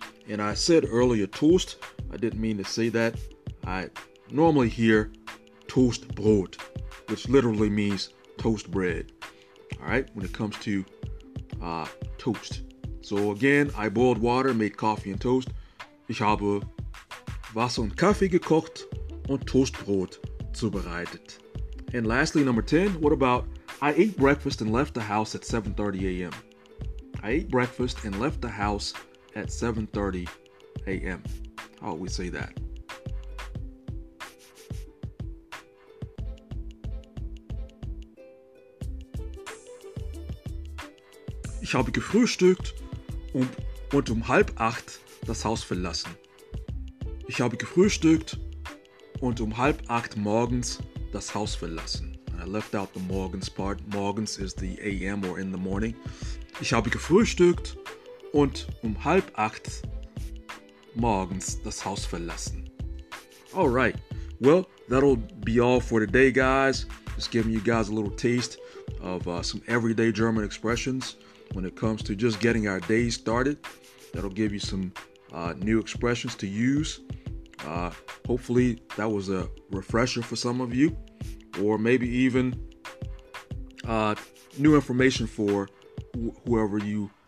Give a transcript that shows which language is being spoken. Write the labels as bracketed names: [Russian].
[English] And I said earlier toast, I didn't mean to say that. I normally hear Toastbrot, which literally means toast bread. All right, when it comes to toast. So again, I boiled water, made coffee and toast. [German] Ich habe Wasser und Kaffee gekocht und Toastbrot zubereitet. [English] And lastly, number 10, what about I ate breakfast and left the house at 7:30 a.m. I ate breakfast and left the house at 7:30 a.m. How would we say that? [German] Ich habe gefrühstückt und um 7:30 das Haus verlassen. Ich habe gefrühstückt und um 7:30 morgens das Haus verlassen. [English] And I left out the morgens part. Morgens is the a.m. or in the morning. [German] Ich habe gefrühstückt und um 7:30 morgens das Haus verlassen. [English] All right. Well, that'll be all for today, guys. Just giving you guys a little taste of some everyday German expressions when it comes to just getting our day started. That'll give you some new expressions to use. Hopefully, that was a refresher for some of you, or maybe even new information for whoever you are.